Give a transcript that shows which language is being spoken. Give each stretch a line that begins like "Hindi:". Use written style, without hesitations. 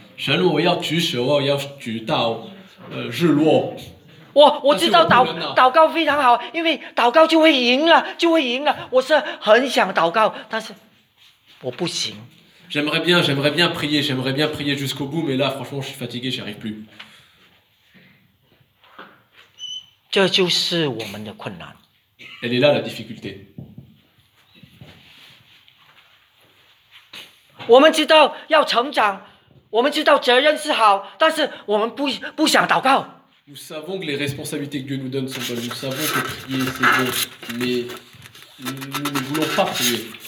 Chinese: 神，我要举手，我要举到日落。我知道祷告非常好，因为祷告就会赢了，就会赢了。我是很想祷告，但是我不行。
French: J'aimerais bien prier jusqu'au bout, mais là, franchement, je suis fatigué, j'y arrive plus.
Chinese: 这就是我们的困难。
French: Elle est là la difficulté.
Chinese: 我们知道要成长，我们知道责任是好，但是我们不想祷告。
French: Nous savons que les responsabilités que Dieu nous donne sont bonnes. Nous savons que prier c'est bon, mais nous ne voulons pas prier.